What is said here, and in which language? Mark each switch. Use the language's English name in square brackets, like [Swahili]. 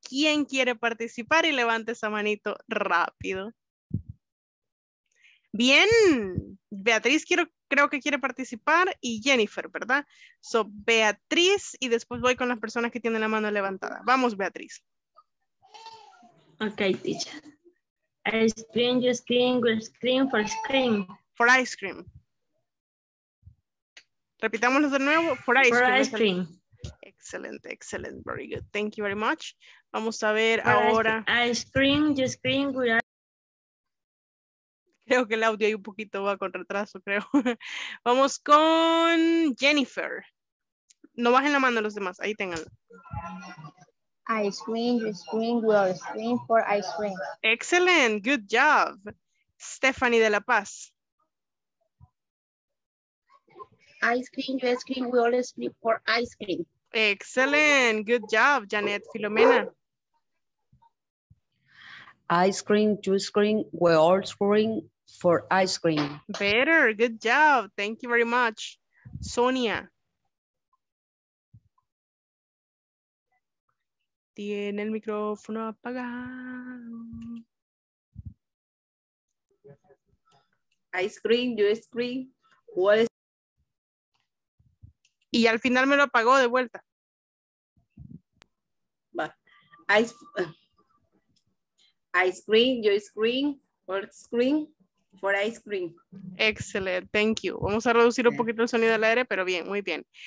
[Spanish] ¿Quién quiere participar? Y levante esa manito rápido. Bien. Beatriz creo que quiere participar. Y Jennifer, ¿verdad? [English] So, Beatriz. [Spanish] Y después voy con las personas que tienen la mano levantada. Vamos, Beatriz. [English] Ok, teacher. Ice cream, you scream, we scream for ice cream. For ice cream. [Spanish] Repitámoslo de nuevo. [English] For ice for cream. Ice cream. [Spanish] Excelente, excelente, [English] very good. Thank you very much. [Spanish] Vamos a ver ahora. [English] I scream, you scream, we are. [Spanish] Creo que el audio ahí un poquito va con retraso, creo. Vamos con Jennifer. No bajen la mano los demás, ahí ténganlo. [English] I scream, you scream, we are scream for ice cream. Excellent, good job. Stephanie de La Paz. Ice cream, you scream, we all scream for ice cream. Excellent, good job, Janet Filomena. Ice cream, you scream, we all scream for ice cream. Better, good job, thank you very much. Sonia. [Spanish] Tiene el micrófono apagado. [English] Ice cream, you scream, what is. [Spanish] Y al final me lo apagó de vuelta. [English] Ice cream, your screen, or screen for ice cream. Excellent, thank you. [Spanish] Vamos a reducir un poquito el sonido del aire, pero bien, muy bien.